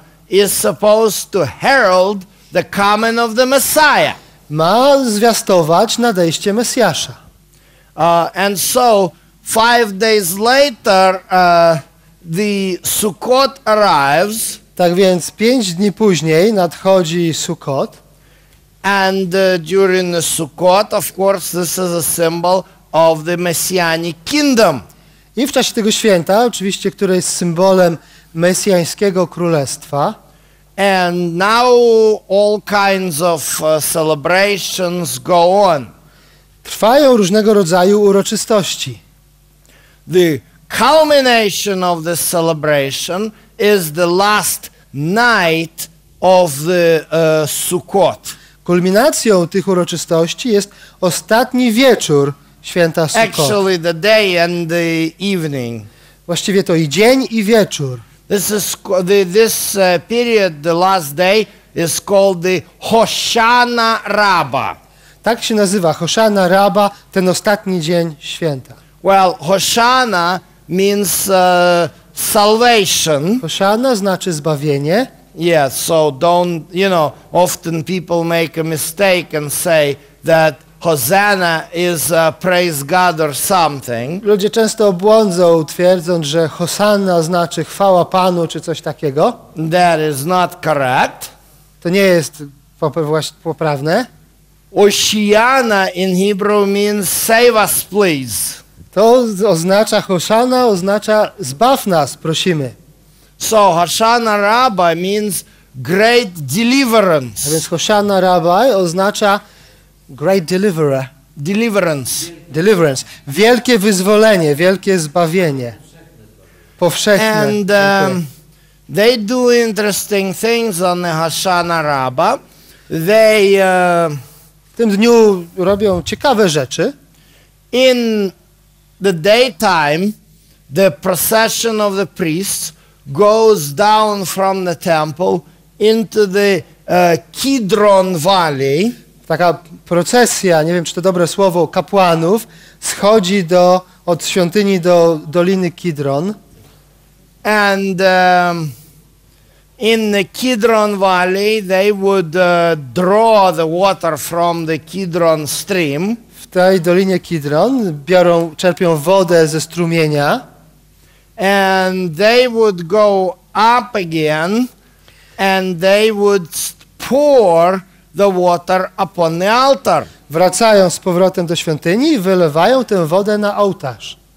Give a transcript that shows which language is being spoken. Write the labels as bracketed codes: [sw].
[en] is supposed to herald the coming of the Messiah. [pl] Ma zwiastować nadejście Mesjasza. [en] And so 5 days later, the Sukkot arrives. [pl] Tak więc 5 dni później nadchodzi Sukkot. [en] And during the Sukkot, of course, this is a symbol of the Messianic kingdom. [pl] I w czasie tego święta, oczywiście, które jest symbolem mesjańskiego królestwa. [en] And now all kinds of celebrations go on. [pl] Trwają różnego rodzaju uroczystości. [en] The culmination of the celebration is the last night of the Sukkot. [pl] Kulminacją tych uroczystości jest ostatni wieczór święta Sukkot. [en] Actually the day and the evening. [pl] Właściwie to i dzień i wieczór. [en] This period, the last day, is called the Hoshana Rabba. [pl] Tak się nazywa Hoshana Rabba, ten ostatni dzień święta. [en] Well, Hoshana means salvation. [pl] Hoshana znaczy zbawienie. [en] Yeah, so don't, you know, often people make a mistake and say that Hosanna is a praise God or something. [pl] Ludzie często błądzą, twierdząc, że Hosanna znaczy chwała Panu czy coś takiego. [en] That is not correct. [pl] To nie jest poprawne. [en] Hosanna in Hebrew means save us, please. [pl] To oznacza Hosanna, oznacza zbaw nas, prosimy. [en] So Hosanna Rabbi means great deliverance. [pl] A więc Hosanna Rabbi oznacza [en] great deliverer. Deliverance. Deliverance. [pl] Wielkie wyzwolenie, wielkie zbawienie. Powszechne. [en] And they do interesting things on the Hosanna Rabbi. They [pl] w tym dniu robią ciekawe rzeczy. [en] In the daytime, the procession of the priests goes down from the temple into the Kidron Valley. [pl] Taka procesja, nie wiem czy to dobre słowo, kapłanów, schodzi do, od świątyni do doliny Kidron. [en] And in the Kidron Valley they would draw the water from the Kidron stream. [pl] W tej dolinie Kidron biorą, czerpią wodę ze strumienia. [en] And they would go up again and they would pour the water upon the altar. [pl] Wracają z powrotem do świątyni i wylewają tę wodę na ołtarz.